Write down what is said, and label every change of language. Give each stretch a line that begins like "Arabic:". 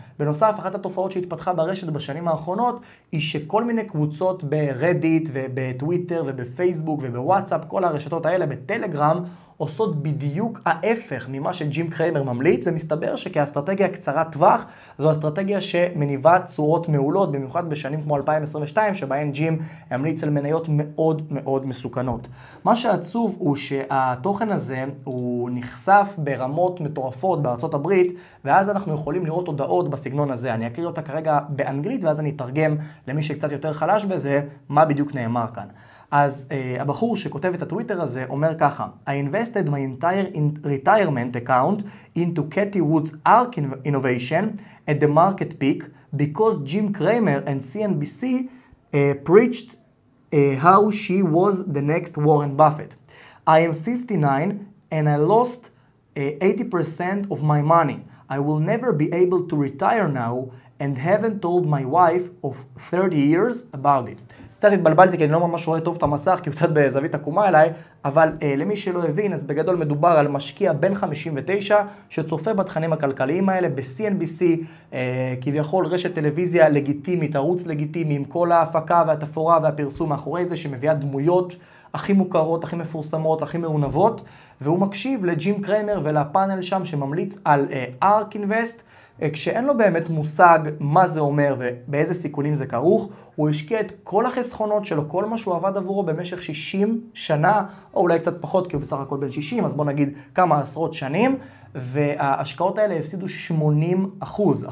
Hebrew: בנוסף, אחת התופעות שהתפתחה ברשת בשנים האחרונות היא שכל מיני קבוצות ברדיט ובטוויטר ובפייסבוק ובוואטסאפ, כל הרשתות האלה בטלגרם, עושות בדיוק ההפך ממה שג'ים קריימר ממליץ, ומסתבר שכאסטרטגיה קצרת טווח, זו אסטרטגיה שמניבה צורות מעולות, במיוחד בשנים כמו 2022, שבהן ג'ים המליץ על מניות מאוד מאוד מסוכנות. מה שעצוב הוא שהתוכן הזה הוא נחשף ברמות מטורפות בארצות הברית, ואז אנחנו יכולים לראות הודעות בסגנון הזה. אני אקריא אותה כרגע באנגלית, ואז אני אתרגם למי שקצת יותר חלש בזה, מה בדיוק נאמר כאן. אז הבחור שכותב את הטוויטר הזה אומר ככה:
English: I invested my entire retirement account into Cathie Wood's ARK innovation at the market peak because Jim Cramer and CNBC preached how she was the next Warren Buffett. I am 59 and I lost 80% of my money. I will never be able to retire now and haven't told my wife of 30 years about it.
Hebrew: קצת התבלבלתי כי אני לא ממש רואה טוב את המסך כי הוא קצת בזווית עקומה אליי, אבל למי שלא הבין, אז בגדול מדובר על משקיע בן 59 שצופה בתכנים הכלכליים האלה ב-CNBC, כביכול רשת טלוויזיה לגיטימית, ערוץ לגיטימי עם כל ההפקה והתפורה והפרסום מאחורי זה, שמביאה דמויות הכי מוכרות, הכי מפורסמות, הכי מעונבות, והוא מקשיב לג'ים קריימר ולפאנל שם שממליץ על ARK Invest, כשאין לו באמת מושג מה זה אומר ובאיזה סיכונים זה כרוך, הוא השקיע את כל החסכונות שלו, כל מה שהוא עבד עבורו במשך 60 שנה, או אולי קצת פחות כי הוא בסך הכל בן 60, אז בוא נגיד כמה עשרות שנים, וההשקעות האלה הפסידו 80%.